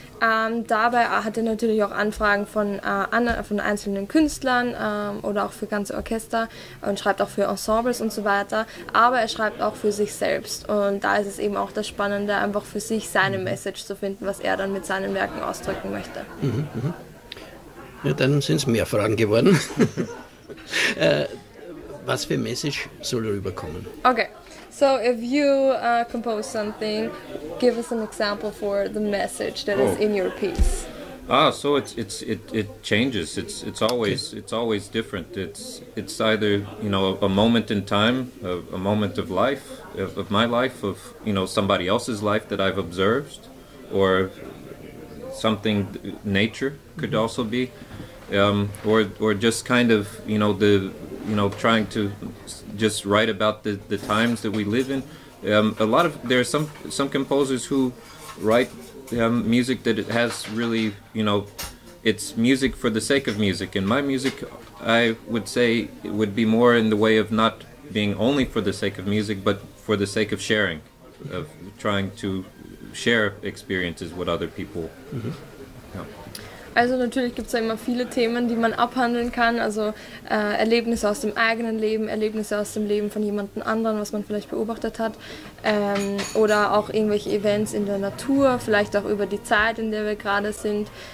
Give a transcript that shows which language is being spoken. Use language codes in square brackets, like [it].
[de] Dabei hat er natürlich auch Anfragen von einzelnen Künstlern oder auch für ganze Orchester und schreibt auch für Ensembles und so weiter. Aber er schreibt auch für sich selbst. Und da ist es eben auch das Spannende, einfach für sich seine Message zu finden, was er dann mit seinen Werken ausdrücken möchte. Mhm, mh. Ja, dann sind es mehr Fragen geworden. Was für Message soll rüberkommen? Okay. [en] So, if you compose something, give us an example for the message that is in your piece. So it changes. It's always different. It's either, you know, a moment in time, a moment of life, of my life, of, you know, somebody else's life that I've observed, or something nature could also be, or just kind of, you know, the, you know, trying to just write about the times that we live in. There are some composers who write music that it has really, you know, it's music for the sake of music. And my music, I would say, it would be more in the way of not being only for the sake of music, but for the sake of sharing, of trying to share experiences with other people. Mm-hmm. Yeah. [de] Also natürlich gibt es ja immer viele Themen, die man abhandeln kann, also Erlebnisse aus dem eigenen Leben, Erlebnisse aus dem Leben von jemandem anderen, was man vielleicht beobachtet hat, oder auch irgendwelche Events in der Natur, vielleicht auch über die Zeit, in der wir gerade sind.